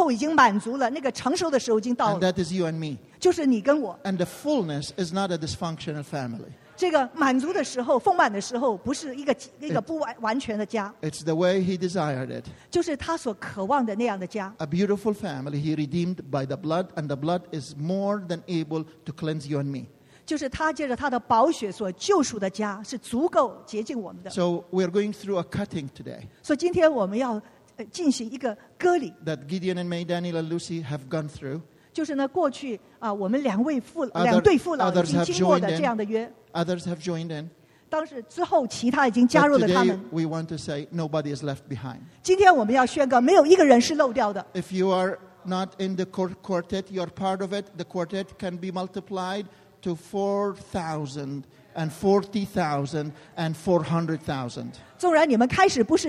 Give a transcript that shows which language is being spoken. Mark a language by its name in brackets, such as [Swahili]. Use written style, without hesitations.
[Chinese] 我们外邦人的时候已经满足了，那个成熟的时候已经到了。 [English] That is you and me. [Chinese] 就是你跟我。 [English] And the fullness is not a dysfunctional family. [Chinese] 这个满足的时候，丰满的时候，不是一个不完全的家。 [English] It's the way he desired it. [Chinese] 就是他所渴望的那样的家。 [English] A beautiful family he redeemed by the blood, and the blood is more than able to cleanse you and me. [Chinese] 就是他借着他的宝血所救赎的家，是足够洁净我们的。 [English] So we are going through a cutting today. [Chinese] 所以今天我们要进行一个割礼。 [English] That Gideon and May, Daniel and Lucy have gone through. [Chinese] 就是呢，过去啊，我们两对父老已经经过的这样的约。 [English] Others have joined in. [Chinese] 当时之后，其他已经加入了他们。 [English] But today, we want to say nobody is left behind. [Chinese] 今天我们要宣告，没有一个人是漏掉的。 [English] If you are not in the quartet, you are part of it. The quartet can be multiplied to 4,000 and 40,000 and 400,000.